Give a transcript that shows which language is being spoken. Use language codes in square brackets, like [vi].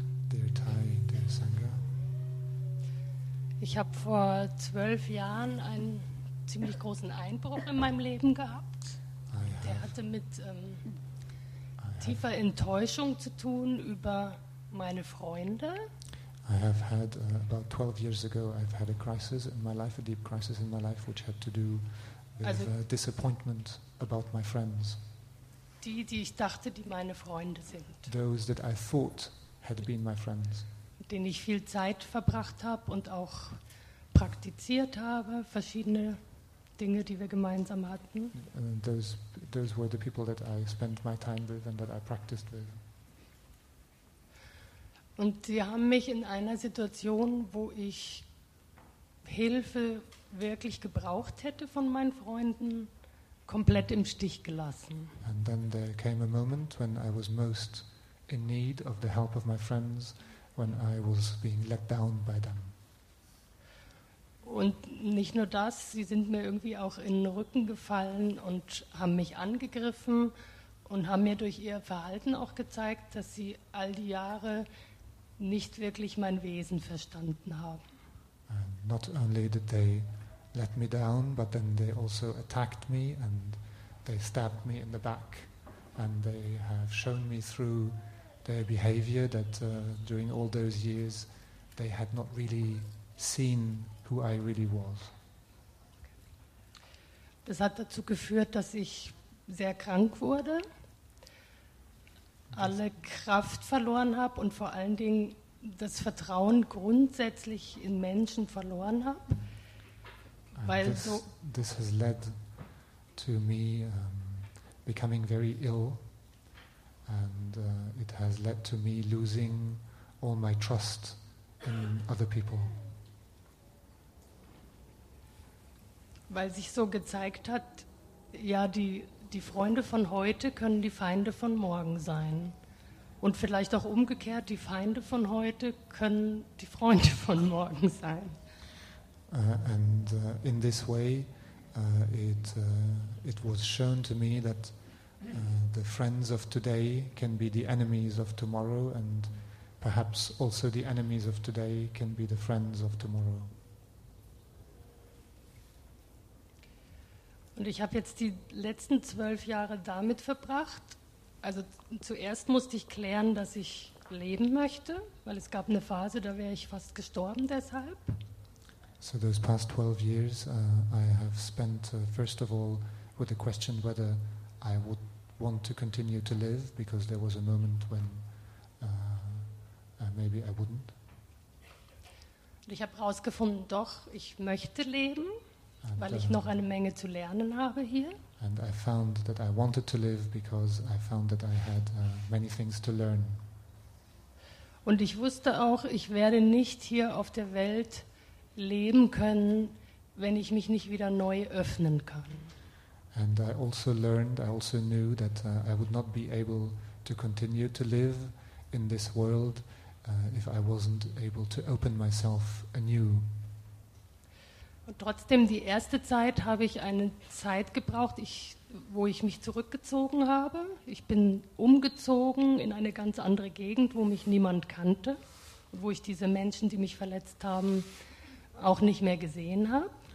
[de] Der Thai, der Sangha. Ich habe vor 12 Jahren einen ziemlich großen Einbruch in meinem Leben gehabt. Der hatte mit tiefer Enttäuschung zu tun über meine Freunde. [en] I have had about 12 years ago I've had a crisis in my life, a deep crisis in my life, which had to do with disappointment about my friends. [de] Die ich dachte, die meine Freunde sind. [en] Those that I thought had been my friends. [de] Mit denen ich viel Zeit verbracht habe und auch praktiziert habe, verschiedene Dinge, die wir gemeinsam hatten. [en] Those were the people that I spent my time with and that I practiced with. [de] Und sie haben mich in einer Situation, wo ich Hilfe wirklich gebraucht hätte von meinen Freunden, komplett im Stich gelassen. [en] And then there came a moment when I was most in need of the help of my friends, when I was being let down by them. [de] Und nicht nur das, sie sind mir irgendwie auch in den Rücken gefallen und haben mich angegriffen und haben mir durch ihr Verhalten auch gezeigt, dass sie all die Jahre nicht wirklich mein Wesen verstanden haben. [en] And not only did they let me down, but then they also attacked me and they stabbed me in the back, and they have shown me through their behavior that during all those years they had not really seen who I really was. [de] Das hat dazu geführt, dass ich sehr krank wurde, alle Kraft verloren habe und vor allen Dingen das Vertrauen grundsätzlich in Menschen verloren habe. Weil [en] this has led to me becoming very ill, and it has led to me losing all my trust in other people. [de] Weil sich so gezeigt hat, ja, die Freunde von heute können die Feinde von morgen sein. Und vielleicht auch umgekehrt, die Feinde von heute können die Freunde von morgen sein. [en] In this way, it was shown to me that the friends of today can be the enemies of tomorrow, and perhaps also the enemies of today can be the friends of tomorrow. [de] Und ich habe jetzt die letzten 12 Jahre damit verbracht. Also zuerst musste ich klären, dass ich leben möchte, weil es gab eine Phase, da wäre ich fast gestorben deshalb. [en] So those past 12 years I have spent first of all with the question whether I would want to continue to live, because there was a moment when maybe I wouldn't. [de] Und ich habe herausgefunden, doch, ich möchte leben. And, weil ich noch eine Menge zu lernen habe hier. [en] And I found that I wanted to live because I found that I had many things to learn. [de] Und ich wusste auch, ich werde nicht hier auf der Welt leben können, wenn ich mich nicht wieder neu öffnen kann. [en] And I also learned, I also knew that I would not be able to continue to live in this world if I wasn't able to open myself anew. [de] Und trotzdem, die erste Zeit habe ich eine Zeit gebraucht, wo ich mich zurückgezogen habe. Ich bin umgezogen in eine ganz andere Gegend, wo mich niemand kannte, wo ich diese Menschen, die mich verletzt haben, auch nicht mehr gesehen habe.